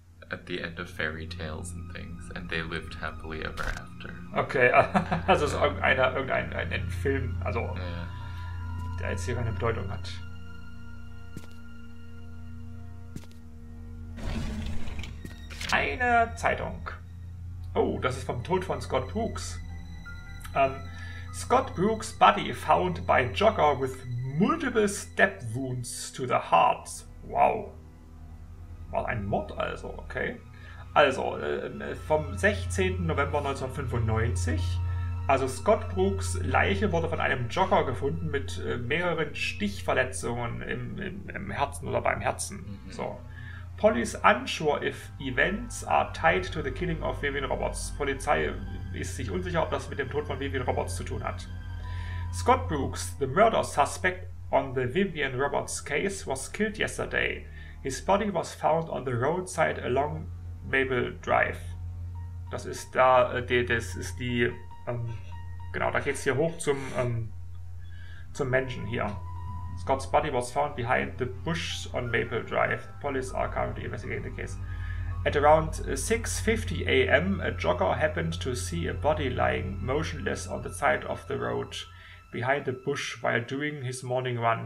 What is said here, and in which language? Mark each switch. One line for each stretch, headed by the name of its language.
English: At the end of fairy tales and things, and they lived happily ever after.
German: Okay, also es ist irgendein Film, also der jetzt hier keine Bedeutung hat. Eine Zeitung. Oh, das ist vom Tod von Scott Brooks.
English: Scott Brooks' body found by jogger with multiple stab wounds to the heart.
German: Wow. War ein Mord also, okay. Also, vom 16. November 1995. Also Scott Brooks' Leiche wurde von einem Jogger gefunden mit mehreren Stichverletzungen im Herzen oder beim Herzen. Mhm. So.
English: Police unsure if events are tied to the killing of Vivian Roberts.
German: Polizei ist sich unsicher, ob das mit dem Tod von Vivian Roberts zu tun hat.
English: Scott Brooks, the murder suspect on the Vivian Roberts case, was killed yesterday. His body was found on the roadside along Mabel Drive.
German: Das ist da, das ist die, genau, da geht's hier hoch zum Mansion hier.
English: Scott's body was found behind the bush on Mabel Drive. The police are currently investigating the case. At around 6:50 a.m., a jogger happened to see a body lying motionless on the side of the road behind the bush while doing his morning run.